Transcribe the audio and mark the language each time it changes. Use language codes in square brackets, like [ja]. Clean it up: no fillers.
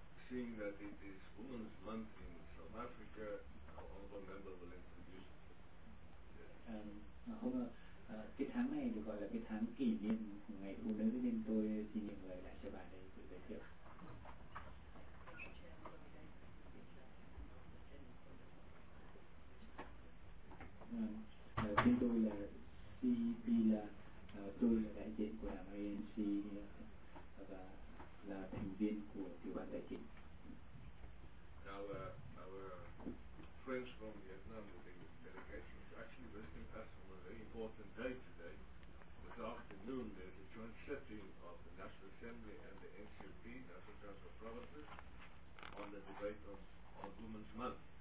[en] Seeing that it is Women's Month in South Africa, our honorable member will introduce. [vi] Cái tháng này được gọi là cái tháng kỷ niệm ngày phụ nữ, nên tôi xin nhận lời lại cho bạn đây để giới thiệu. Tên tôi là Sibila. Tôi là đại diện của đảng ANC và là thành viên của tiểu ban tài chính. [en] Now our friends from Vietnam with the delegation is actually visiting us on a very important day today. This afternoon there's a joint sitting of the National Assembly and the NCP, National Council of Provinces, on the debate on Women's Month.